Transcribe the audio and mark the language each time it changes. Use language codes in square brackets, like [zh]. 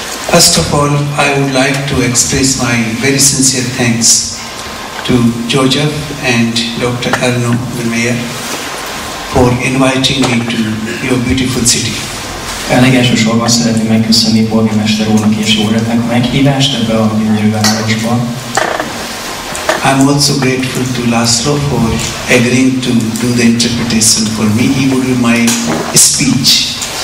[en] First of all, I would like to express my very sincere thanks to Joseph and Dr. Arno, the mayor, for inviting me to your beautiful city. [hu] Elsősorban szeretném megköszönni polgármester úrnak és Józsefnek a meghívást ebbe a gyönyörű városba. [en] I'm also grateful to László for agreeing to do the interpretation for me. He would be my speech.